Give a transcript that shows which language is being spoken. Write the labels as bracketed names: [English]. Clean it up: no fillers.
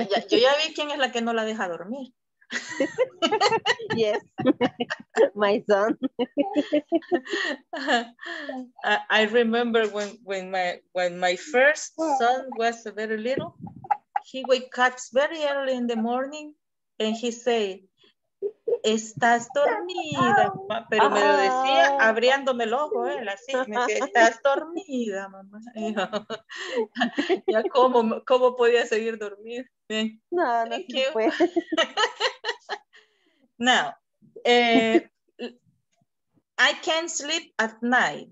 [Spanish] Yo ya vi quién es la que no la deja dormir. [English] Yes. My son. I remember when my first son was very little, he wake up very early in the morning and he say, [Spanish] "Estás dormida." Pero me lo decía abriéndome el ojo, así me decía, "Estás dormida, mamá." Ya cómo podía seguir dormir. No, sí fue. [English] Now, I can't sleep at night.